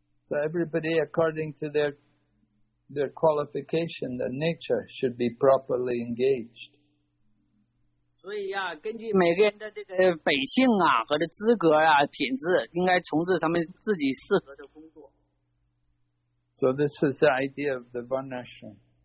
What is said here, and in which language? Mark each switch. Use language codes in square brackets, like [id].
[en] So everybody according to their qualification, their nature should be properly engaged. [zh] 所以根据每个人的这个本性和资格品质，应该从事他们自己适合的工作。 [en] So this is the idea of the Varnashram.